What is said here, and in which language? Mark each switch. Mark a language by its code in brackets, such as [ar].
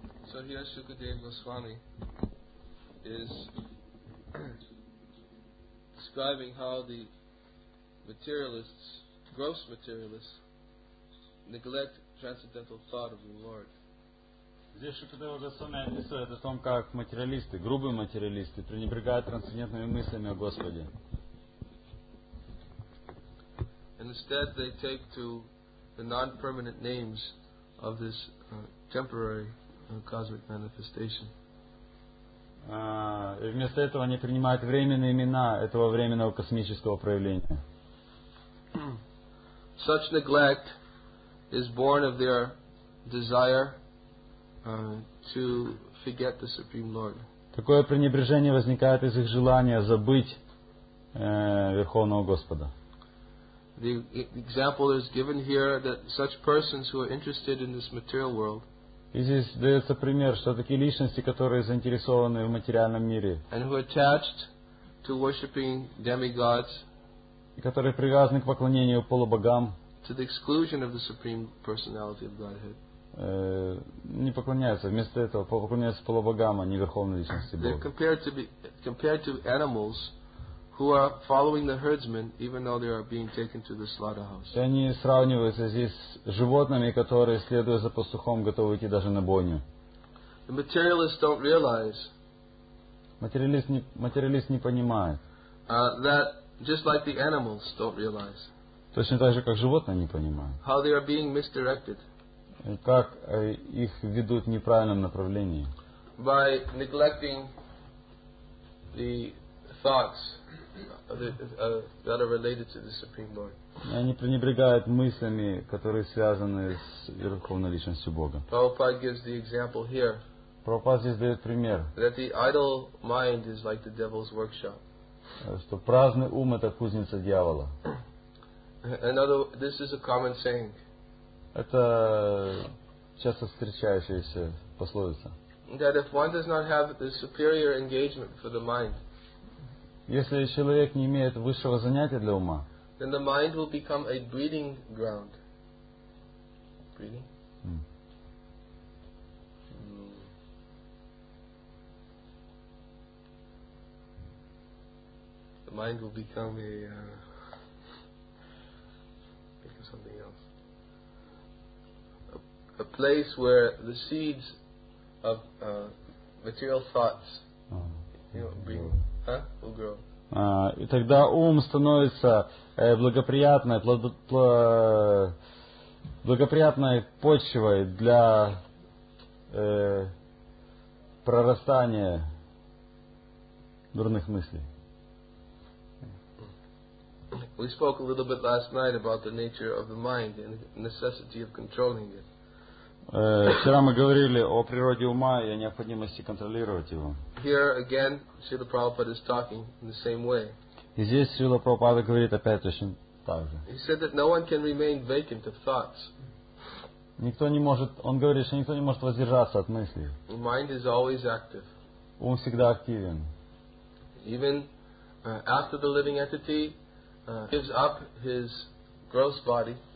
[en] So here Sukadeva Goswami is describing how the materialists, gross materialists, neglect transcendental thought of the Lord. [ru] Здесь Шукадева Госвами описывает о том, как материалисты, грубые материалисты, пренебрегают трансцендентными мыслями о Господе. [en] Instead, they take to the non-permanent names of this temporary cosmic manifestation. [ru] И вместо этого они принимают временные имена этого временного космического проявления. [en] Such neglect is born of their desire to forget the Supreme Lord. [ru] Такое пренебрежение возникает из их желания забыть Верховного Господа. [en] The example is given here that such persons who are interested in this material world. [ru] И здесь дается пример, что такие личности, которые заинтересованы в материальном мире, [en] and who attached to worshiping demigods, [ru] и которые привязаны к поклонению полубогам, [en] to the exclusion of the supreme personality of Godhead, [ru] не поклоняются, вместо этого поклоняются полубогам, а не верховной личности Бога. [en] They're compared to animals who are following the herdsmen, even though they are being taken to the slaughterhouse. [ru] И они сравниваются здесь с животными, которые, следуя за пастухом, готовы идти даже на бойню. [en] The materialists don't realize. [ru] Материалист не понимает. [en] That just like the animals don't realize. [ru] Точно так же, как животные не понимают. [en] How they are being misdirected. [ru] И как их ведут в неправильном направлении. [en] By neglecting the thoughts. That are related to the Supreme Lord. [ru] Они пренебрегают мыслями, которые связаны с Верховной Личностью Бога. [en] Prabhupada gives the example here. [ru] Prabhupada здесь дает пример. [en] That the idle mind is like the devil's workshop. [ru] Что праздный ум — это кузница дьявола. [en] Another, this is a common saying. [ru] Это часто встречающаяся пословица. [en] That if one does not have the superior engagement for the mind. [ru] Если человек не имеет высшего занятия для ума, [en] then the mind will become a breeding ground. Breeding? The mind will become a become something else. A place where the seeds of material thoughts will grow. [ru] И тогда ум становится благоприятной почвой для прорастания дурных мыслей. [en] We spoke a little bit last night about the nature of the mind and the necessity of controlling it. [ru] Вчера мы говорили о природе ума и о необходимости контролировать его. [en] Here again, Srila Prabhupada is talking in the same way. [ru] И здесь Srila Prabhupada говорит опять точно так же. [en] He said that no one can remain vacant of thoughts. [ru] Никто не может, он говорит, что никто не может воздержаться от мыслей. [en] The mind is always active. [ru] Ум всегда активен. [en] Even after the living entity gives up his gross body.